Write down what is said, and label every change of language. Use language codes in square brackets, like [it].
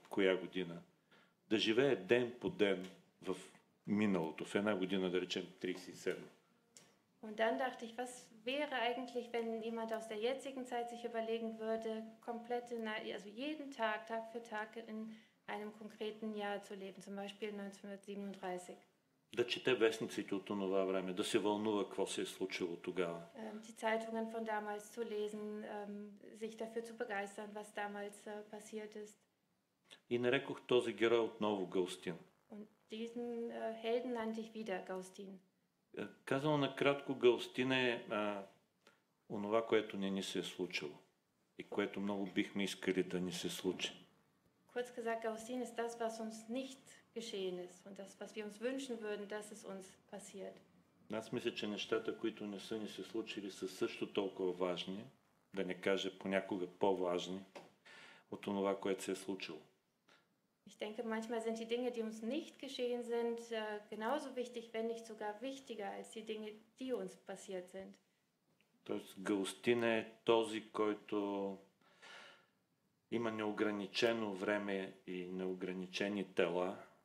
[bg] Коя година, да живее ден по ден в миналото, в една година, да речем 37. [de] Und dann dachte ich, was wäre eigentlich, wenn jemand aus der jetzigen Zeit sich überlegen würde, komplett in, also jeden Tag, Tag für Tag in einem konkreten Jahr zu leben, zum Beispiel 1937. [bg] Да чете вестниците от това време, да се вълнува какво се е случило тогава. [de] Die Zeitungen von damals zu lesen, sich dafür zu begeistern, was damals passiert ist. [bg] И нарекох този герой отново Галстин. [de] Und diesen Helden nannte ich wieder Galstin. [bg] Казано накратко, Галстин е онова, което не ни се е случило и което много бихме искали да ни се случи. [de] Kurz gesagt, Galstin ist das, was uns nicht geschehen ist und das, was wir uns wünschen würden, dass es uns passiert. [bg] Аз мисля, че нещата, които не са ни се случили, са също толкова важни, да не кажа понякога по-важни, от това, което се е случило. [de] Ich denke, manchmal sind die Dinge, die uns nicht geschehen sind, genauso wichtig, wenn nicht sogar wichtiger als die Dinge, die uns passiert sind. [bg] Тоест, Галстин е този, който има неограничено време и неограничени тела.